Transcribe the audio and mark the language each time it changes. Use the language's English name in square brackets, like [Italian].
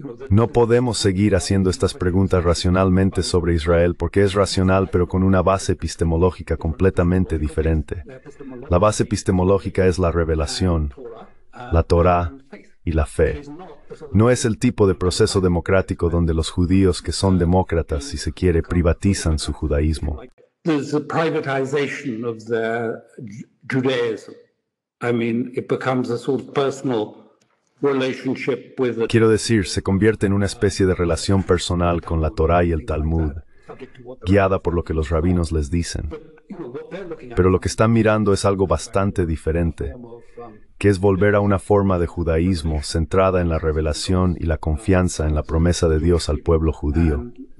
[Spanish] No podemos seguir haciendo estas preguntas racionalmente sobre Israel porque es racional, pero con una base epistemológica completamente diferente. La base epistemológica es la revelación, la Torá y la fe. No es el tipo de proceso democrático donde los judíos que son demócratas, si se quiere, privatizan su judaísmo. [English] There's a privatization of their Judaism. I mean, it becomes a sort of personal relationship with the... [Spanish] Quiero decir, se convierte en una especie de relación personal con la Torá y el Talmud, guiada por lo que los rabinos les dicen. Pero lo que están mirando es algo bastante diferente, que es volver a una forma de judaísmo centrada en la revelación y la confianza en la promesa de Dios al pueblo judío.